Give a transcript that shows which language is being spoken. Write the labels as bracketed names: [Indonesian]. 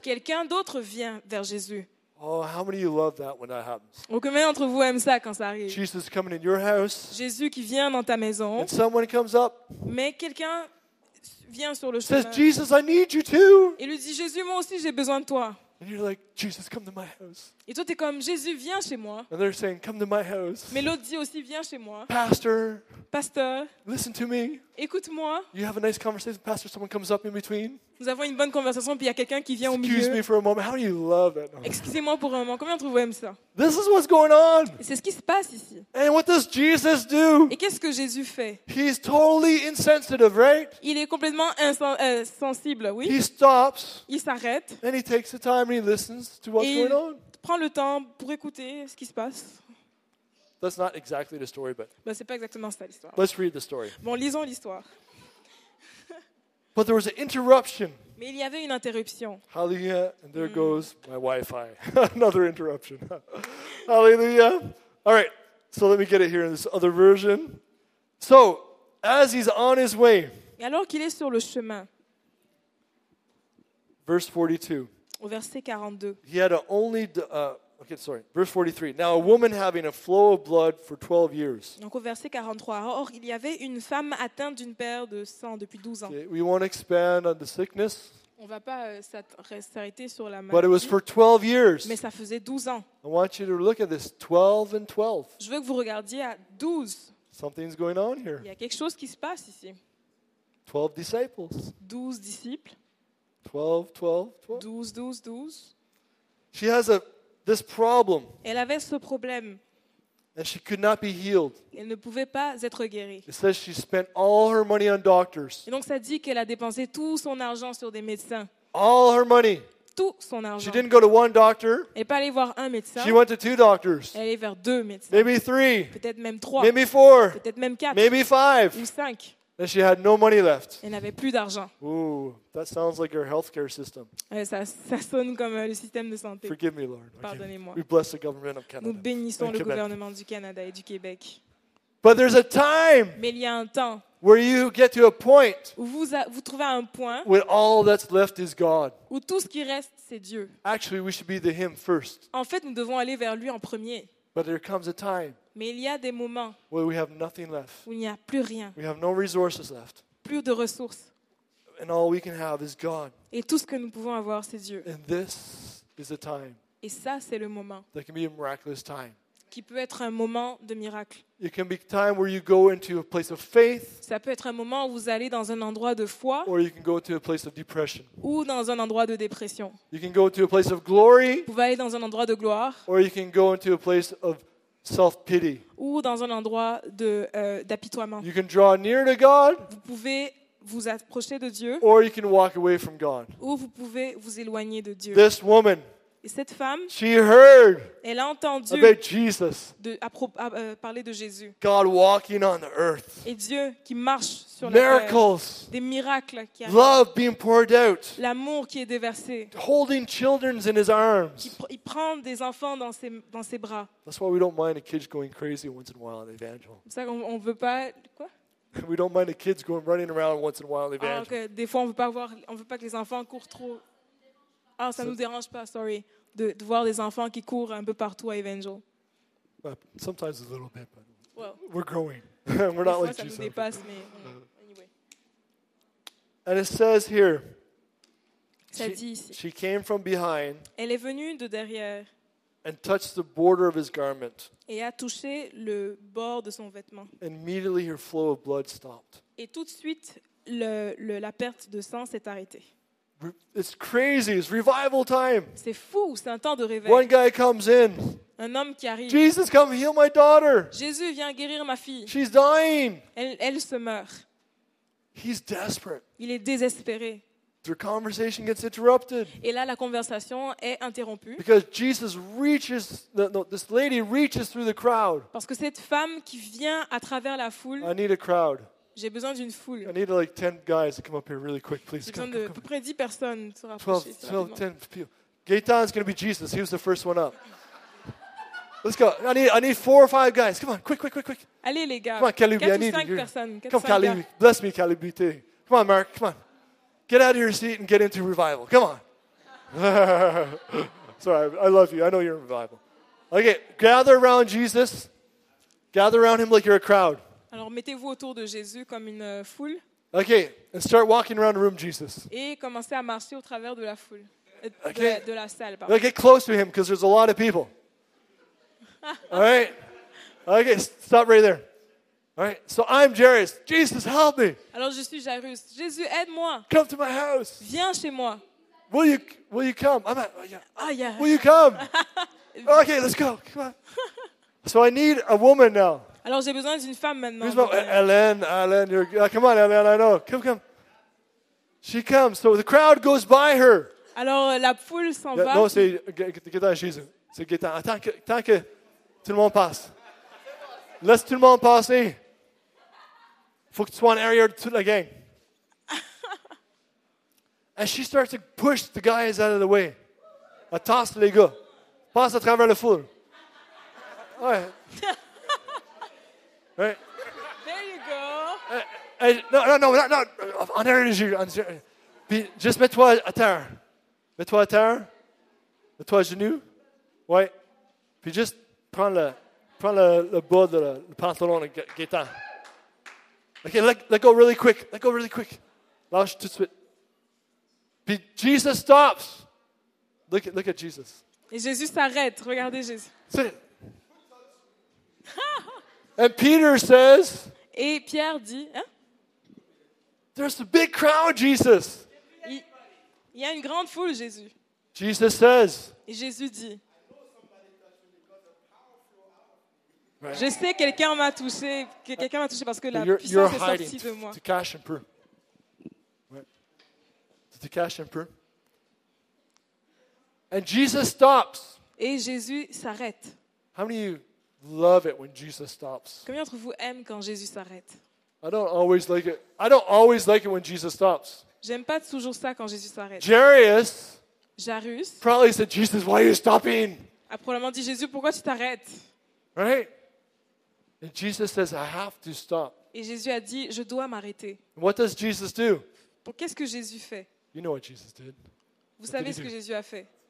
[French] Quelqu'un d'autre vient vers Jésus. [English] Oh, how many of you love that when that happens? [French] Ou combien d'entre vous aiment ça quand ça arrive? [English] Jesus coming in your house. [French] Jésus qui vient dans ta maison. [English] And someone comes up. [French] Mais quelqu'un vient sur le [English] says, [French] chemin. [English] Says Jesus, I need you too. [French] Et lui dit Jésus, moi aussi j'ai besoin de toi. [English] And you're like Jesus, come to my house. [French] Et toi t'es comme Jésus, viens chez moi. [English] And they're saying, come to my house. [French] Mais l'autre dit aussi, viens chez moi. [English] Pastor. [French] Pasteur. [English] Listen to me. [French] Écoute-moi. [English] You have a nice conversation, pastor. Someone comes up in between. [French] Nous avons une bonne conversation, puis il y a quelqu'un qui vient [English] excuse [French] au milieu. [English] Excuse me for a moment. How do you love it? [French] Excusez-moi pour un moment. Combien d'entre vous aiment ça? [English] This is what's going on. [French] Et c'est ce qui se passe ici. [English] And what does Jesus do? [French] Et qu'est-ce que Jésus fait? [English] He's totally insensitive, right? [French] Il est complètement insensible, oui. [English] He stops. [French] Il s'arrête. [English] And he takes the time and he listens to what's going on. [French] Et prend le temps pour écouter ce qui se passe. [English] That's not exactly the story, but. [French] Ben, c'est pas exactement ça l'histoire. [English] Let's read the story. [French] Bon, lisons l'histoire. [English] But there was an interruption. [French] Mais il y avait une interruption. [English] Hallelujah, and there goes my Wi-Fi. Another interruption. Hallelujah. All right, so let me get it here in this other version. So, as he's on his way. [French] Et alors qu'il est sur le chemin. [English] Verse 42. [French] Au verset 42. [English] He had a only... verse 43. Now a woman having a flow of blood for 12 years. [French] Donc au verset 43. Or, il y avait une femme atteinte d'une perte de sang depuis 12 ans. [English] We won't expand on the sickness. [French] On va pas s'arrêter sur la maladie. [English] But it was for 12 years. [French] Mais ça faisait 12 ans. [English] I want you to look at this 12 and 12. [French] Je veux que vous regardiez à 12. [English] Something's going on here. [French] Il y a quelque chose qui se passe ici. [English] 12 disciples. [French] 12 disciples. [English] 12 12 12. [French] 12 12 12. [English] She has a this problem. [French] Elle avait ce problème. [English] And she could not be healed. [French] Elle ne pouvait pas être guérie. [English] It says she spent all her money on doctors. [French] Et donc ça dit qu'elle a dépensé tout son argent sur des médecins. [English] All her money. [French] Tout son argent. [English] She didn't go to one doctor. [French] Elle n'est pas allée voir un médecin. [English] She went to two doctors. [French] Elle est vers deux médecins. [English] Maybe three. [French] Peut-être même trois. [English] Maybe four. [French] Peut-être même quatre. [English] Maybe five. [French] Ou cinq. [English] And she had no money left. [French] Elle n'avait plus d'argent. [English] Ooh, that sounds like your healthcare system. [French] Ça sonne comme le système de santé. [English] Forgive me, Lord. [French] Pardonnez-moi. [English] We bless the government of Canada. [French] Nous bénissons le gouvernement du Canada et du Québec. [English] But there's a time. [French] Mais il y a un temps. [English] Where you get to a point. [French] Où vous trouvez un point. [English] Where all that's left is God. [French] Où tout ce qui reste c'est Dieu. [English] Actually, we should be to Him first. [French] En fait, nous devons aller vers lui en premier. [English] But there comes a time. [French] Mais il y a des moments [English] where we have nothing left. [French] Où il n'y a plus rien. [English] We have no resources left. [French] Plus de ressources. [English] And all we can have is God. [French] Et tout ce que nous pouvons avoir, c'est Dieu. [English] And this is the time. [French] Et ça, c'est le moment. [English] That can be a miraculous time. [French] Qui peut être un moment de miracle. [English] It can be time where you go into a place of faith. [French] Ça peut être un moment où vous allez dans un endroit de foi. [English] Or you can go to a place of depression. [French] Ou dans un endroit de dépression. [English] You can go to a place of glory. [French] Vous pouvez aller dans un endroit de gloire. [English] Or you can go into a place of self-pity. [French] Ou dans un endroit d'apitoiement. [English] You can draw near to God. [French] Vous pouvez vous approcher de Dieu. [English] Or you can walk away from God. [French] Ou vous pouvez vous éloigner de Dieu. [English] This woman. [French] Et cette femme, [English] she heard [French] elle a entendu [English] about Jesus, [French] parler de Jésus. [English] God walking on the earth. [French] Et Dieu qui marche sur [English] miracles, [French] la terre. Des miracles qui arrivent. [English] Love being poured out. [French] L'amour qui est déversé. [English] Holding children in his arms. [French] Il prend des enfants dans ses bras. [English] That's why we don't mind the kids going crazy once in a while in evangel. [French] C'est ça qu'on veut pas quoi? [English] We don't mind the kids going running around once in a while in evangel. Ah, okay. [French] Des fois on veut pas que les enfants courent trop. Ah, ça nous dérange pas, sorry, de voir des enfants qui courent un peu partout à Evangel. [English] Well, sometimes a little bit, but well, we're growing. We're not like Jesus. [French] Ça nous dépasse, mais anyway. [English] And it says here, [French] ça dit ici, [English] she came from behind. [French] Elle est venue de derrière. [English] And touched the border of his garment. [French] Et a touché le bord de son vêtement. [English] And immediately her flow of blood stopped. [French] Et tout de suite, la perte de sang s'est arrêtée. [English] It's crazy. It's revival time. [French] C'est fou, c'est un temps de réveil. [English] One guy comes in. [French] Un homme qui arrive. [English] Jesus, come heal my daughter. [French] Jésus vient guérir ma fille. [English] She's dying. [French] Elle se meurt. [English] He's desperate. [French] Il est désespéré. [English] Their conversation gets interrupted. [French] Et là, la conversation est interrompue. [English] Because Jesus reaches, this lady reaches through the crowd. [French] Parce que cette femme qui vient à travers la foule. [English] I need a crowd. [French] J'ai besoin d'une foule. [English] I need like 10 guys to come up here really quick, please. [French] J'ai besoin de à peu près 10 personnes se rapprocher. [English] 12, 10 people. Gaetan's going to be Jesus. He was the first one up. Let's go. I need 4 or 5 guys. Come on, quick. [French] Allez les gars. [English] Come on, Calibri. I need [French] 5 personnes. [English] Come on, Calibri. Bless me, Calibri. Come on, Mark. Come on. Get out of your seat and get into revival. Come on. Sorry, I love you. I know you're in revival. Okay, gather around Jesus. Gather around him like you're a crowd. [French] Alors mettez-vous autour de Jésus comme une foule. [English] Okay, and start walking around the room, Jesus. [French] Et commencez à marcher au travers de la foule, okay. De la salle. Pardon. [English] Get close to him because there's a lot of people. All right. Okay, stop right there. All right. So I'm Jairus. Jesus, help me. [French] Alors je suis Jairus. Jésus, aide-moi. [English] Come to my house. [French] Viens chez moi. [English] Will you come? I'm at. Oh yeah. Will you come? Okay, let's go. Come on. So I need a woman now. [French] Alors j'ai besoin d'une femme maintenant. [English] Who's my Ellen, you're come on, Ellen, I know. Come. She comes. So the crowd goes by her. [French] Alors la foule s'en va. Non, c'est Gaetan, Jésus. C'est Gaetan. Attends que tout le monde passe. Laisse tout le monde passer. Faut que tu sois en arrière de toute la gang. [English] And she starts to push the guys out of the way. [French] Elle tasse les gars. Passe à travers la foule. Ouais. [English] Right. There you go. No. On air is you. Just [French] mets-toi à terre. Mets-toi à terre. Mets-toi à genoux. Ouais. Puis just prends le bas de le pantalon de Gaetan. [English] Okay, let go really quick. Let go really quick. [French] Lâche tout de suite. Puis [English] Jesus stops. Look at Jesus. [French] Et Jésus s'arrête. Regardez Jésus. C'est. [English] And Peter says, [French] et Pierre dit, hein? [English] There's a big crowd, Jesus. [French] Il y a une grande foule, Jésus. [English] Jesus says, [French] et Jésus dit, right. Je sais quelqu'un m'a touché, quelqu'un m'a touché parce que la [English] you're [French] puissance est sortie de moi. [English] To cash and prove. Right. To cash and prove. And Jesus stops. [French] Et Jésus s'arrête. [English] How many of you love it when Jesus stops? [French] Combien d'entre vous aiment quand Jésus s'arrête? [English] I don't always like it. I don't always like it when Jesus stops. [French] J'aime pas toujours ça quand Jésus s'arrête. [English] Jairus. Probably said, Jesus, why are you stopping? [French] A probablement dit Jésus, pourquoi tu t'arrêtes? [English] Right? And Jesus says, I have to stop. [French] Et Jésus a dit, je dois m'arrêter. [English] What does Jesus do? [French] Pour qu'est-ce que Jésus fait? [English] You know what Jesus did. [French] Vous savez ce que Jésus a fait?